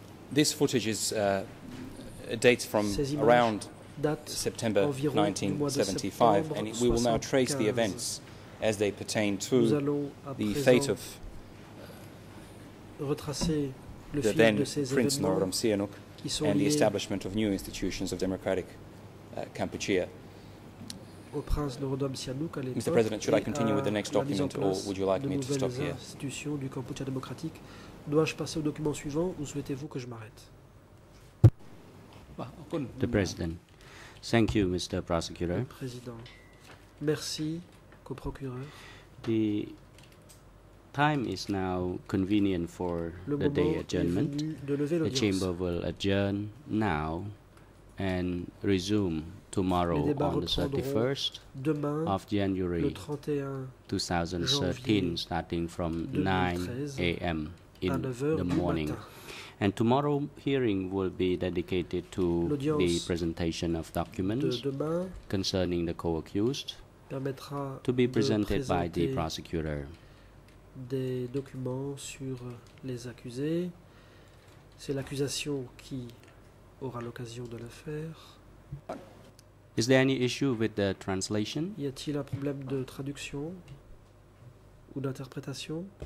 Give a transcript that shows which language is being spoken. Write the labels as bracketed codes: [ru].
[en] This footage is dates from around September 1975, and we will now trace the events as they pertain to the fate of the then Prince Norodom Sihanouk and the establishment of new institutions of democratic Kampuchea. [fr] Au prince Norodom Sihanouk à l'époque. Mr. [en] President, should I continue with the next document, or would you like me to stop here? [fr] Institution du Cambodge démocratique. Dois-je passer au document suivant ou souhaitez-vous que je m'arrête? [en] The President. Thank you, Mr. Prosecutor. [fr] Le président. Merci, coprocureur. [en] The time is now convenient for the day adjournment. The chamber will adjourn now and resume tomorrow on the 31st of January 2013, starting from 9 a.m. in the morning. And tomorrow hearing will be dedicated to the presentation of documents concerning the co-accused to be presented by the prosecutor. [fr] Des documents sur les accusés. C'est l'accusation qui aura l'occasion de le faire. [en] Is there any issue with the translation? [fr] Y a-t-il un problème de traduction ou d'interprétation?